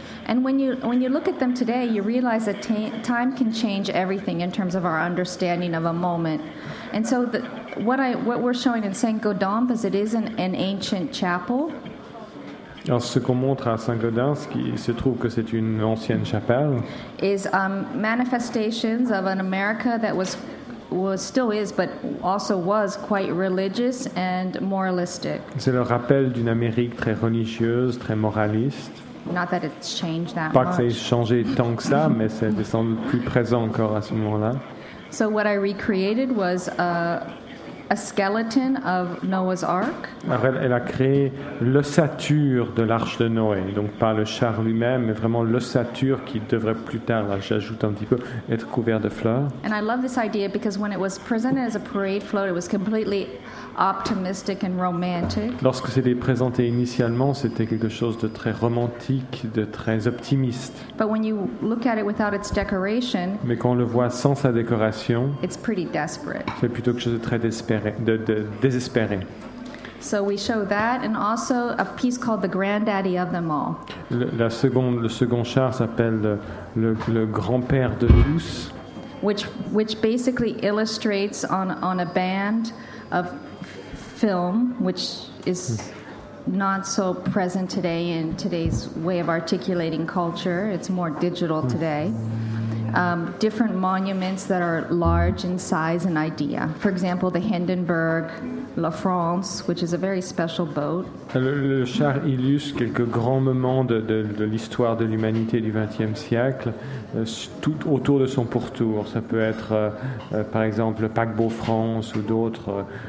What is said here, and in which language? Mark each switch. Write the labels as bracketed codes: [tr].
[en] And when you look at them today, you realize that time can change everything in terms of our understanding of a moment. And so what we're showing in Saint-Gaudens is it isn't an ancient chapel. [fr] Alors ce qu'on montre à Saint-Gaudens, qui se trouve que c'est une ancienne chapelle, [en] is manifestations of an America that was still is, but also was quite religious and moralistic. [fr] C'est le rappel d'une Amérique très religieuse, très moraliste. [en] Not that it's changed that [fr] Pas Pas que ça ait changé tant que ça, mais c'est sans doute plus présent encore à ce moment-là. [en] So what I recreated was a skeleton of Noah's Ark. [fr] Alors elle a créé l'ossature de l'arche de Noé, donc pas le char lui-même, mais vraiment l'ossature qui devrait plus tard, là, j'ajoute un petit peu, être couvert de fleurs. [en] And I love this idea because when it was presented as a parade float, it was completely optimistic and romantic. [fr] Lorsque c'était présenté initialement, c'était quelque chose de très romantique, de très optimiste. [en] But when you look at it without its decoration, [fr] mais quand on le voit sans sa décoration, [en] it's pretty desperate. [fr] C'est plutôt quelque chose de très désespéré. [en] So we show that and also a piece called the granddaddy of them all. [fr] Le second char s'appelle le grand-père de tous. [en] Which basically illustrates on a band of film, which is not so present today in today's way of articulating culture. It's more digital today. Different monuments that are large in size and idea. For example, the Hindenburg, La France, which is a very special boat. [fr] Le char illustre quelques grands moments de l'histoire de l'humanité du XXe siècle, tout autour de son pourtour. Ça peut être, par exemple, le paquebot France ou d'autres.